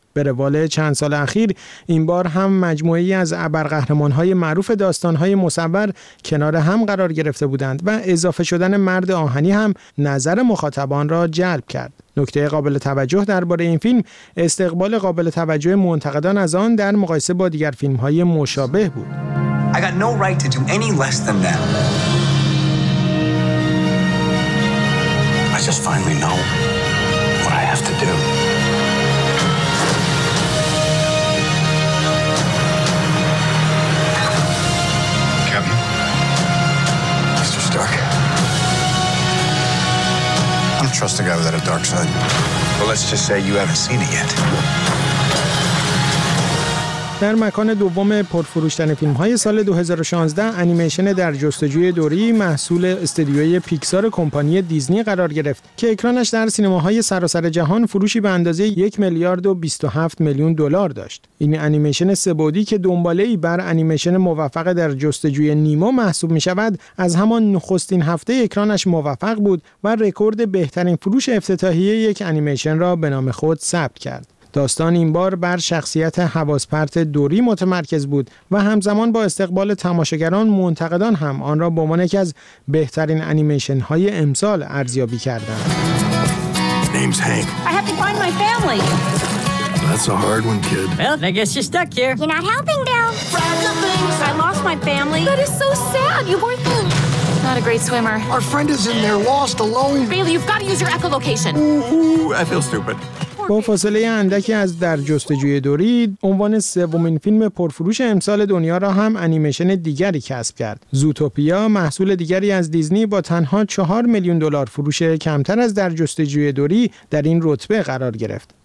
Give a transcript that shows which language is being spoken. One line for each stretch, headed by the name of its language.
Persian: به روال چند سال اخیر، این بار هم مجموعه‌ای از ابرقهرمان‌های معروف داستان‌های مصور کنار هم قرار گرفته بودند و اضافه شدن مرد آهنی هم نظر مخاطبان را جلب کرد. نکته قابل توجه درباره این فیلم، استقبال قابل توجه منتقدان از آن در مقایسه با دیگر فیلم‌های مشابه بود.
English: I got no right to do any less than that. I just finally know what I have to do. Captain, Mr. Stark, I don't trust a guy without a dark side. Well, let's just say you haven't seen it yet.
Persian: در مکان دوم پرفروش‌ترین فیلم‌های سال 2016، انیمیشن در جستجوی دوری محصول استدیوی پیکسار کمپانی دیزنی قرار گرفت که اکرانش در سینماهای سراسر جهان فروشی به اندازه 1,027,000,000 دلار داشت. این انیمیشن سه‌بعدی که دنباله‌ای بر انیمیشن موفق در جستجوی نیمو محسوب می‌شود، از همان نخستین هفته اکرانش موفق بود و رکورد بهترین فروش افتتاحیه یک انیمیشن را به نام خود ثبت کرد. داستان این بار بر شخصیت حواس‌پرت دوری متمرکز بود و همزمان با استقبال تماشاگران، منتقدان هم آن را به عنوان یکی از بهترین انیمیشن های امسال ارزیابی کردند.
English: Name's Hank. I have to find my family. That's a hard one, kid. Well, I guess you're stuck here. You're not helping, Dale. I lost my family. That is so sad. You weren't good. Not a great swimmer. Our friend is in there lost alone. Bailey, you've got to use your echolocation. Ooh, I feel stupid.
Persian: با فاصله اندکی از در جستجوی دوری، عنوان سومین فیلم پرفروش امسال دنیا را هم انیمیشن دیگری کسب کرد. زوتوپیا، محصول دیگری از دیزنی، با تنها 4,000,000 دلار فروش کمتر از در جستجوی دوری در این رتبه قرار گرفت.